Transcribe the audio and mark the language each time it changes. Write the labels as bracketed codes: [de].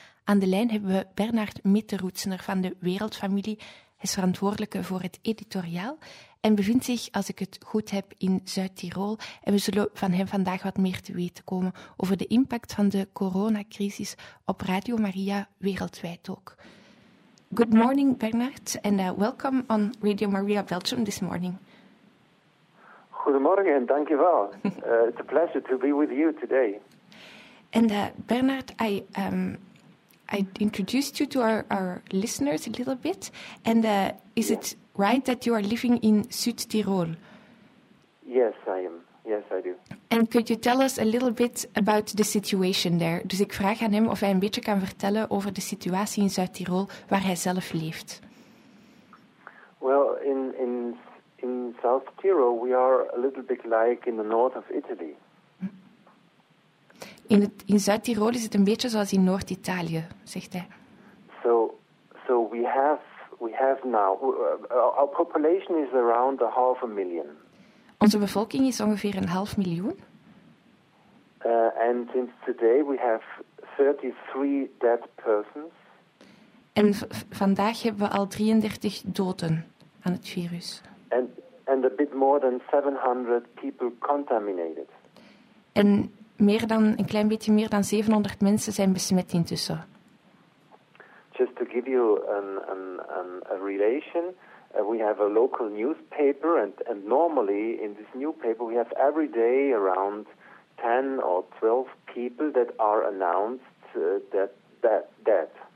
[nl] Aan de lijn hebben we Bernard Mitteroetsener van de wereldfamilie. Hij is verantwoordelijke voor het editoriaal en bevindt zich, als ik het goed heb, in Zuid-Tirol. En we zullen van hem vandaag wat meer te weten komen over de impact van de coronacrisis op Radio Maria wereldwijd ook. [en] Good morning, Bernard, and welcome on Radio Maria Belgium this morning. [nl] Goedemorgen, dank je wel. [en] It's a pleasure to be with you today. And Bernard, I introduced you to our listeners a little bit, and is it right that you are living in Sud-Tirol? Yes, I am. Yes, I do. And could you tell us a little bit about the situation there? [nl] Dus ik vraag aan hem of hij een beetje kan vertellen over de situatie in Zuid-Tirol waar hij zelf leeft. [en] Well, in South Tirol we are a little bit like in the north of Italy. [nl] In Zuid-Tirol is het een beetje zoals in Noord-Italië, zegt hij. [en] So we have now our population is around 500,000. [nl] Onze bevolking is ongeveer 500,000. [en] And since today we have 33 dead persons. [nl] En vandaag hebben we al 33 doden aan het virus. [en] And a bit more than 700 people contaminated. [nl] En een klein beetje meer dan 700 mensen zijn besmet intussen. [en] Just to give you a relation. We have a local newspaper and normally in this newspaper we have every day around 10 or 12 people that are announced dead.